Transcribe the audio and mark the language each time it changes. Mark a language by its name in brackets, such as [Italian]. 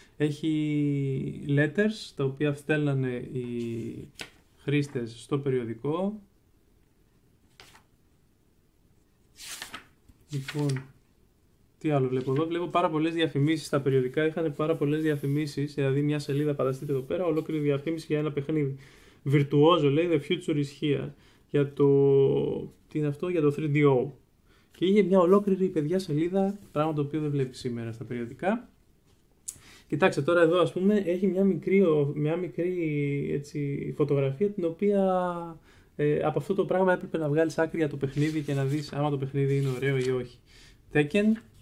[Greek] Έχει letters, τα οποία στέλνανε οι χρήστες στο περιοδικό. Λοιπόν, τι άλλο βλέπω εδώ. Βλέπω πάρα πολλές διαφημίσεις. Τα περιοδικά είχαν πάρα πολλές διαφημίσεις. Δηλαδή, μια σελίδα, φανταστείτε εδώ πέρα, ολόκληρη διαφήμιση για ένα παιχνίδι. Virtuoso, λέει, [English] The future is here. [Greek] Για το. Τι είναι αυτό, για το 3DO. Και είχε μια ολόκληρη παιδιά σελίδα, πράγμα το οποίο δεν βλέπει σήμερα στα περιοδικά. Κοιτάξτε τώρα εδώ, ας πούμε, έχει μια μικρή έτσι, φωτογραφία την οποία. Από αυτό το πράγμα έπρεπε να βγάλεις άκρη για το παιχνίδι και να δεις άμα το παιχνίδι είναι ωραίο ή όχι. Tekken.